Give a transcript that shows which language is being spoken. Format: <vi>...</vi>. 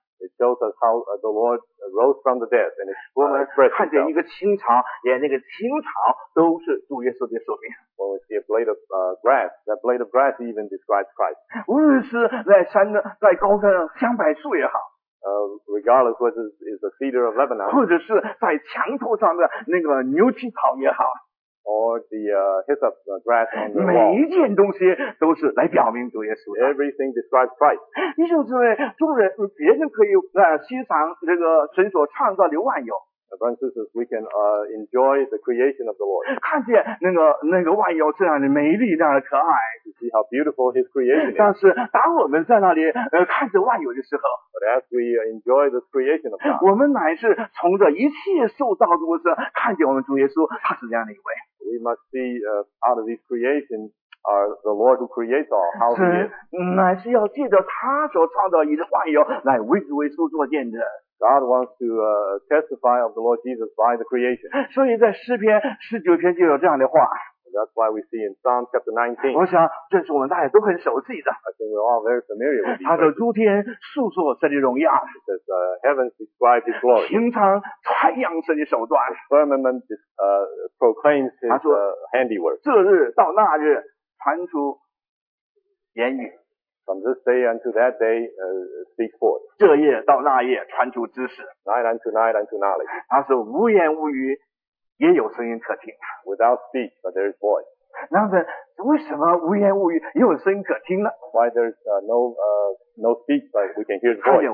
<en>It shows us how the Lord rose from the dead, and it's expressed itself.</en> <zh>我们看见一个青草，连那个青草都是主耶稣的说明。</zh> <en>When we see a blade of grass, that blade of grass even describes Christ.</en> <zh>无论是在山的，在高山的香柏树也好。</zh> <en>Regardless whether it's the cedar of Lebanon.</en> <zh>或者是在墙头上的那个牛蹄草也好。</zh> <en>Or the hyssop grass on the wall.</en> <zh>每一件东西都是来表明主耶稣的。</zh> <en>Everything describes Christ.</en> <zh>弟兄姊妹，众人别人可以欣赏这个神所创造的万有。</zh> <en>Brothers, we can enjoy the creation of the Lord.</en> <zh>看见那个万有这样的美丽，那样的可爱。</zh> <en>You see how beautiful His creation is.</en> <zh>但是当我们在那里看着万有的时候</zh> <en>，But as we enjoy the creation of God,</en> <zh>我们乃是从这一切受造物中看见我们主耶稣，他是这样的一位。</zh> <en>We must see out of these creations are the Lord who creates all, how He is.</en> <zh>乃是要借着他所创造的万有来为主耶稣做见证。</zh> <en>God wants to testify of the Lord Jesus by the creation.</en> <zh>所以在诗篇十九篇就有这样的话。</zh> <en>That's why we see in Psalm chapter 19.</en> <zh>我想这是我们大家都很熟悉的。</zh> <en>I think we're all very familiar with it.</en> <zh>他说诸天述说神的荣耀。</zh> <en>It says, heavens describe His glory.</en> <zh>平常传扬神的手段。</zh> <en>The firmament proclaims His handiwork.</en> <zh>这日到那日传出言语。</zh> <en>From this day unto that day, speak forth.</en> <zh>这夜到那夜传出知识。</zh> <en>Night unto night unto knowledge.</en> <zh>他说无言无语也有声音可听。</zh> <en>Without speech, but there is voice.</en> <zh>那么为什么无言无语也有声音可听呢？</zh> <en>Why there's no speech, but we can hear the voice.</en>